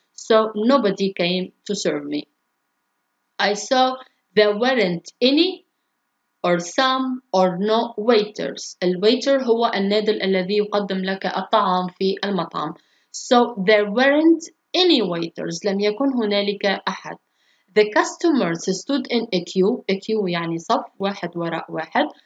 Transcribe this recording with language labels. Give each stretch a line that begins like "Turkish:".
English: So nobody came to serve me. I saw there weren't any or some or no waiters.
Arabic: الويتر هو النادل الذي يقدم لك الطعام في المطعم.
English: So there weren't any waiters.
Arabic: لم يكن هنالك أحد.
English: The customers stood in a queue.
Arabic: A queue يعني صف واحد وراء واحد.